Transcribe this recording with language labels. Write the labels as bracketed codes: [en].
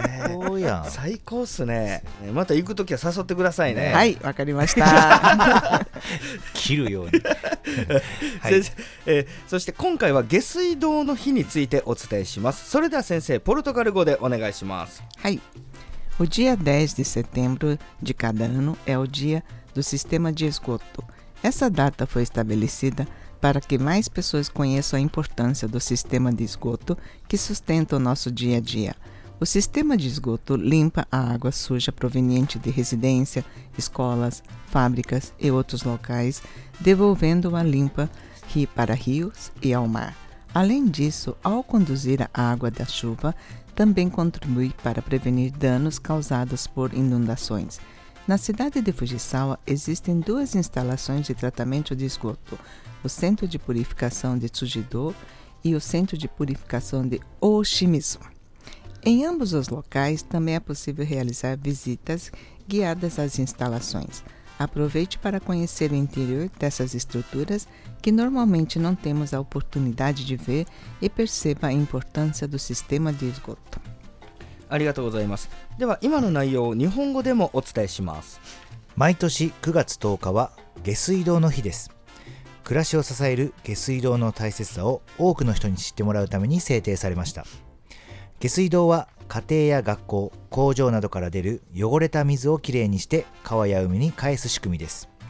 [ja] そうやん、最高っすね。また行くときは誘ってくださいね。はい、わかりました切るように、はい、先生、そして今回は下水道の日についてお伝えします。それでは先生、ポルトガル語でお願いします。はい。 [pt] O dia 10 de setembro de cada ano é o dia do sistema de esgoto. Essa data foi estabelecida para que mais pessoas conheçam a importância do sistema de esgoto que sustenta o nosso dia a dia. O sistema de esgoto limpa a água suja proveniente de residência, escolas, fábricas e outros locais, devolvendo-a limpa para rios e ao mar. Além disso, ao conduzir a água da chuva,também contribui para prevenir danos causados por inundações. Na cidade de Fujisawa, existem duas instalações de tratamento de esgoto, o Centro de Purificação de Tsujidō e o Centro de Purificação de Oshimizu. Em ambos os locais, também é possível realizar visitas guiadas às instalações. Aproveite para conhecer o interior dessas estruturas que normalmente não temos a oportunidade de ver e perceba a importância do sistema de esgoto. [ja] ありがとうございます。では今の内容を日本語でもお伝えします。毎年9月10日は下水道の日です。暮らしを支える下水道の大切さを多くの人に知ってもらうために制定されました。下水道は家庭や学校、工場などから出る汚れた水をきれいにして川や海に返す仕組みです。